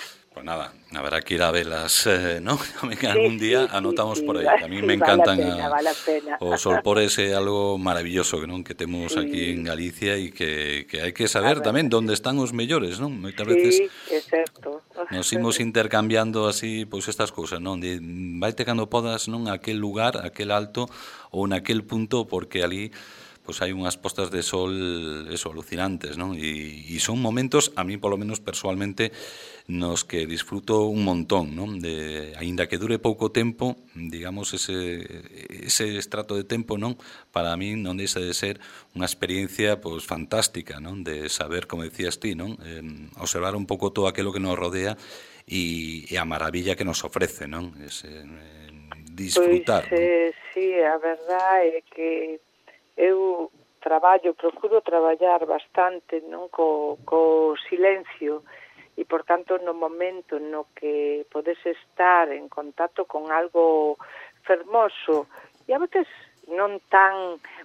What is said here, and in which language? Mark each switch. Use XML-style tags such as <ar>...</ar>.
<es>Pues nada, habrá que ir a velas, ¿no?</es> <gl>Algún día anotamos por aí.</gl> <es>A mí me encantan</es> <gl>os solpores, é algo maravilloso, ¿no? Que temos aquí en Galicia e que hai que saber tamén onde están os mellores, ¿no? Moitas veces nos imos intercambiando así pois estas cousas, ¿no? Vaite cando podas, ¿no? Aquel lugar, aquel alto ou naquel punto, porque ali</gl> <es>pues hay unas postas de sol, eso, alucinantes,</es> <gl>¿no?</gl> <es>Y son momentos, a mí por lo menos personalmente, nos que disfruto un montón, ¿no?</es> <gl>Ainda que</gl> <es>dure poco tiempo, digamos, ese estrato de tiempo, ¿no? Para mí no deja de ser una experiencia, pues, fantástica, ¿no? De saber, como decías ti, ¿no? Observar un poco todo aquello que nos rodea y a maravilla que nos ofrece, ¿no? Ese, disfrutar. Pues, sí, la verdad es que</es> <gl>eu procuro traballar bastante, non, co silencio, e por tanto no momento no que podes estar en contacto con algo fermoso e a veces non tan</gl>